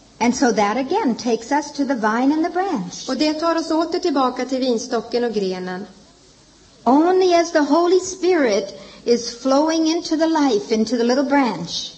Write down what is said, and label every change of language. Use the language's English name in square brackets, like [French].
[English] And so that again takes us to the vine and the branch. [Swedish] Och det tar oss åter tillbaka till vinstocken och grenen. [English] Only as the Holy Spirit is flowing into the life, into the little branch.